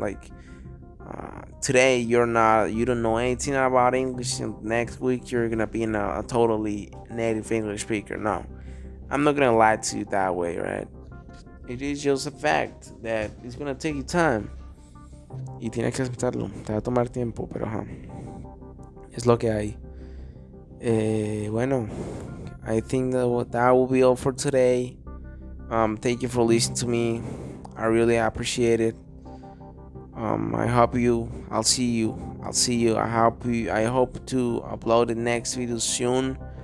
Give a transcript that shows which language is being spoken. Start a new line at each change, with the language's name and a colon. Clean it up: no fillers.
English: Like today, you don't know anything about English, and next week you're gonna be in a totally native English speaker. No, I'm not gonna lie to you that way, right? It is just a fact that it's gonna take you time.
Spanish: Y tienes que aceptarlo, te va a tomar tiempo, pero ajá, es lo que hay.
English: Bueno, I think that will be all for today. Thank you for listening to me. I really appreciate it. I hope you I'll see you I'll see you I hope you I hope to upload the next video soon.